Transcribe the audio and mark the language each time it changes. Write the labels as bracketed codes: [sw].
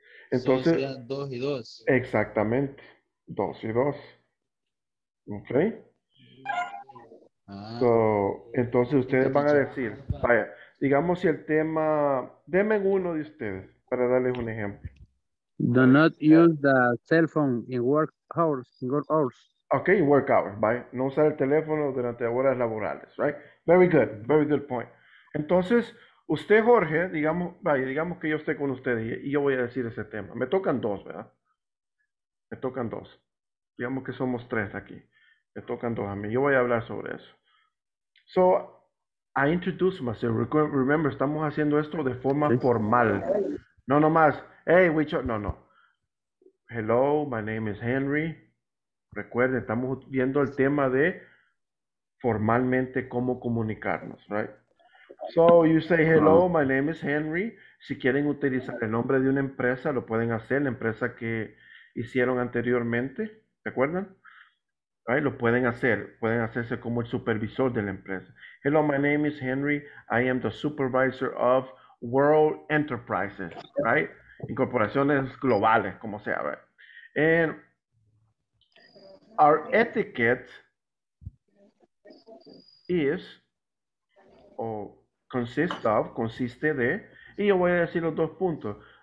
[es] Entonces. Sí, dos y dos. Exactamente. Dos y dos. ¿Ok? Ah, so, entonces ustedes van a decir. Vaya, digamos si el tema. Denme uno de ustedes para darles un ejemplo. [en] Do not use the cell phone in work hours. Okay, work hours, bye. [es] No usar el teléfono durante horas laborales, right? [en] Very good, very good point. [es] Entonces, usted, Jorge, digamos, vaya, digamos que yo esté con usted y yo voy a decir ese tema. Me tocan dos, ¿verdad? Me tocan dos. Digamos que somos tres aquí. Me tocan dos a mí. Yo voy a hablar sobre eso. So, [en] I introduced myself. Remember, [es] estamos haciendo esto de forma formal. No, no más. Hey, which no, no. [en] Hello, my name is Henry. [es] Recuerde, estamos viendo el tema de formalmente cómo comunicarnos, right? [en] So you say, hello, my name is Henry. [es] Si quieren utilizar el nombre de una empresa, lo pueden hacer, la empresa que hicieron anteriormente, ¿se acuerdan? Right, lo pueden hacerse como el supervisor de la empresa. [en] Hello, my name is Henry. I am the supervisor of World Enterprises, right? [es] Incorporaciones globales, como sea, right? [en] And our etiquette is, or consists of, [es] consiste de, y yo voy a decir los dos puntos.